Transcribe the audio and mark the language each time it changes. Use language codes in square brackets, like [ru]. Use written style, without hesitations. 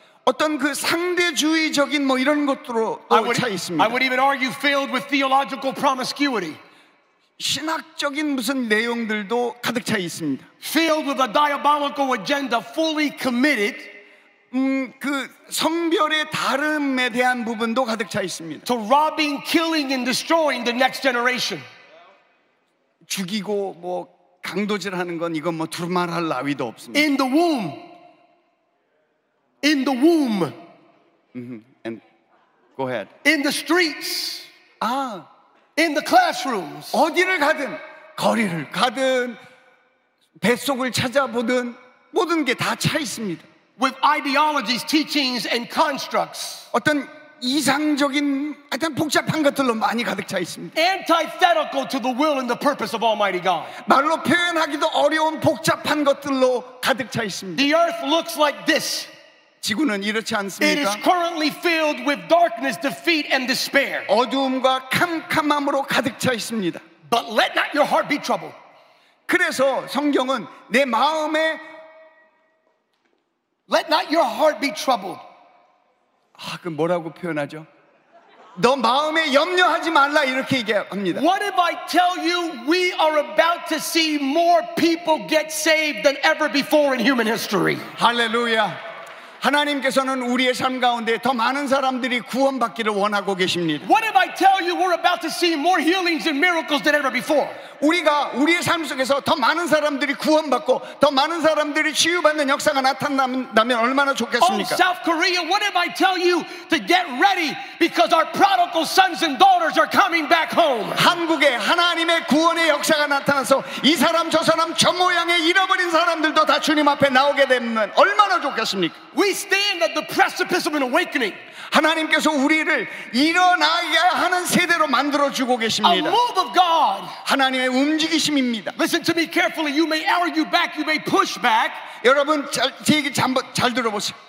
[ko] 어떤 그 상대주의적인 뭐 이런 것들로 차 있습니다. [en] I would even argue filled with theological promiscuity. [ko] 신학적인 무슨 내용들도 가득 차 있습니다. [en] Filled with a diabolical agenda fully committed. [ko] 그 성별의 다름에 대한 부분도 가득 차 있습니다. [en] To robbing, killing and destroying the next generation. [ko] 죽이고 뭐 강도질하는 건 이건 뭐 두말할 나위도 없습니다. [en] In the womb. In the womb. Mm-hmm. And go ahead. In the streets. 아. In the classrooms. [ko] 어디를 가든 거리를 가든 뱃속을 찾아보든 모든 게 다 차 있습니다. [en] With ideologies, teachings and constructs. [ko] 어떤 이상적인 하여튼 복잡한 것들로 많이 가득 차 있습니다. [en] Antithetical to the will and the purpose of Almighty God. [ko] 말로 표현하기도 어려운 복잡한 것들로 가득 차 있습니다. [en] The earth looks like this. [ko] 지구는 이렇지 않습니까? [en] It is currently filled with darkness, defeat and despair. [ko] 어두움과 캄캄함으로 가득 차 있습니다. [en] But let not your heart be troubled. [ko] 그래서 성경은 내 마음에 [en] Let not your heart be troubled. [ko] 아, 그 뭐라고 표현하죠? 너 마음에 염려하지 말라 이렇게 얘기합니다. [en] What if I tell you we are about to see more people get saved than ever before in human history? Hallelujah. [ko] 하나님께서는 우리의 삶 가운데 더 많은 사람들이 구원받기를 원하고 계십니다. [en] What if I tell you we're about to see more healings and miracles than ever before? [ko] 우리가 우리의 삶 속에서 더 많은 사람들이 구원받고 더 많은 사람들이 치유받는 역사가 나타난다면 얼마나 좋겠습니까? [en] Oh, South Korea, what if I tell you to get ready because our prodigal sons and daughters are coming back home? [ko] 한국에 하나님의 구원의 역사가 나타나서 이 사람 저 사람 저 모양의 잃어버린 사람들도 다 주님 앞에 나오게 되면 얼마나 좋겠습니까? [en] We stand at the precipice of an awakening. [ko] 하나님께서 우리를 일어나야 하는 세대로 만들어주고 계십니다. [en] A move of God. [ko] 하나님의 움직이심입니다. [en] Listen to me carefully. You may argue back. You may push back. [ko] 여러분 제 얘기 잘 들어보세요.